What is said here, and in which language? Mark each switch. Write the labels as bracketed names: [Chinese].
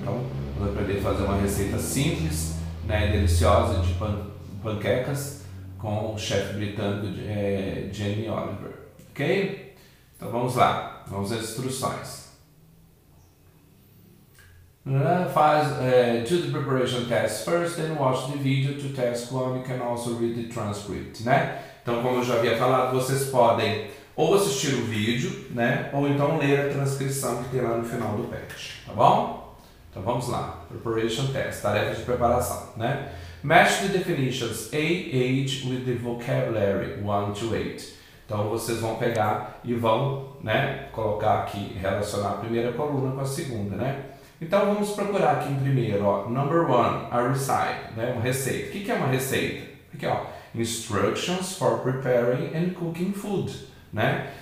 [Portuguese] Então, vamos aprender a fazer uma receita simples, né, e deliciosa de panquecas com o chefe britânico Jamie Oliver, ok? Então vamos lá, vamos às instruções. [English] Do the preparation test first, then watch the video to test one, you can also read the transcript, né? [Portuguese] Então, como eu já havia falado, vocês podem ou assistir o vídeo, né? Ou então ler a transcrição que tem lá no final do patch, tá bom? Então vamos lá, preparation test, tarefa de preparação, né? [English] Match the definitions A, age with the vocabulary 1 to 8. [Portuguese] Então vocês vão pegar e vão, né, colocar aqui, relacionar a primeira coluna com a segunda, né? Então vamos procurar aqui em primeiro, ó, number 1, a recipe, né, uma receita. O que é uma receita? Aqui, ó, [English] instructions for preparing and cooking food, [Portuguese] né?